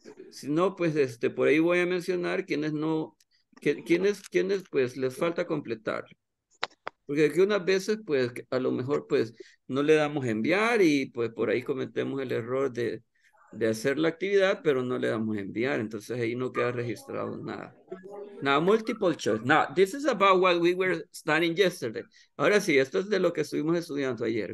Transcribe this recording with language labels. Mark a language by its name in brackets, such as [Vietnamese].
[Spanish] Si no, pues por ahí voy a mencionar quiénes pues les falta completar. Porque aquí unas veces pues a lo mejor pues no le damos enviar y pues por ahí cometemos el error de hacer la actividad, pero no le damos enviar, entonces ahí no queda registrado nada. [English] Now, multiple choice. Now, this is about what we were studying yesterday. [Spanish] Ahora sí, esto es de lo que estuvimos estudiando ayer.